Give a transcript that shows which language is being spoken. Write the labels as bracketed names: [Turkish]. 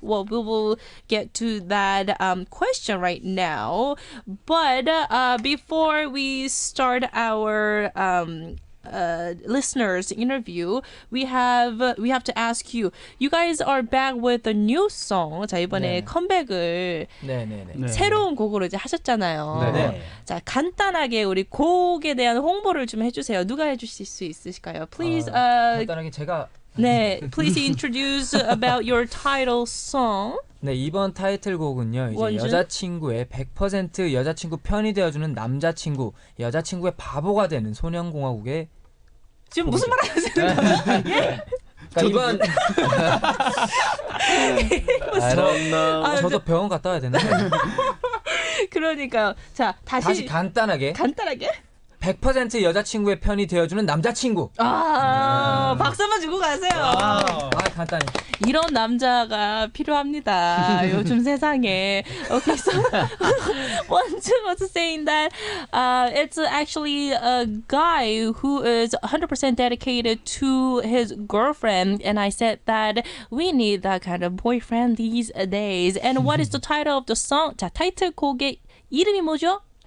[English] Well, we will get to that question right now. But before we start our listeners interview, we have to ask you. You guys are back with a new song. [Korean] 자 이번에 네. 컴백을 네, 네, 네. 새로운 네. 곡으로 이제 하셨잖아요. 네. 자 간단하게 우리 곡에 대한 홍보를 좀 해주세요. 누가 해주실 수 있으실까요? [English] Please. [Korean] 간단하게 제가. [English] 네, please introduce about your title song. [Korean] 네, 이번 타이틀곡은요. 이제 원진? 여자친구의 100% 여자친구 편이 되어주는 남자친구, 여자친구의 바보가 되는 소년공화국의 지금 곡이죠. 무슨 말 하세요? 예? 이번 저도 병원 갔다 와야 되나? 그러니까 자 다시 간단하게 100% 여자친구의 편이 되어주는 남자친구. 아, 박수만 주고 가세요. 아, 간단히. 이런 남자가 필요합니다. 요즘 세상에. [English] 그래서 want to say in that it's actually a guy who is 100% dedicated to his girlfriend, and I said that we need that kind of boyfriend these days. And what is the title of the song? [Korean] 자, 타이틀곡의 이름이 뭐죠?